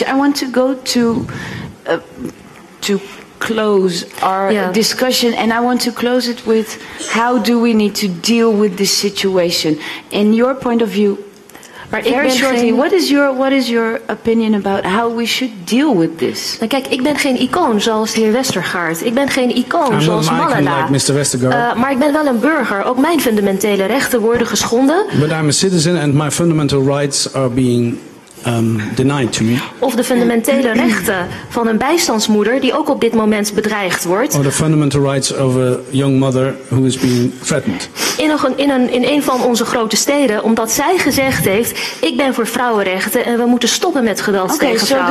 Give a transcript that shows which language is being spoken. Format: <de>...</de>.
<en>I want to go to close our discussion, and I want to close it with how do we need to deal with this situation in your point of view.</en> <nl>Maar</nl> <en>very shortly, what is your opinion about how we should deal with this?</en> <nl>Kijk, ik ben geen icoon zoals de heer Westergaard. Ik ben geen icoon</nl> <en>I'm</en> <nl>zoals Malala.</nl> <en>Like Mr. Westergaard.</en> <nl>Maar ik ben wel een burger. Ook mijn fundamentele rechten worden geschonden.</nl> <en>But I'm a citizen and my fundamental rights are being denied to me.</en> <nl>Of de fundamentele rechten van een bijstandsmoeder die ook op dit moment bedreigd wordt.</nl> <en>Or the fundamental rights of a young mother who is being threatened.</en> <nl>In een van onze grote steden, omdat zij gezegd heeft: ik ben voor vrouwenrechten en we moeten stoppen met geweld tegen vrouwen.</nl>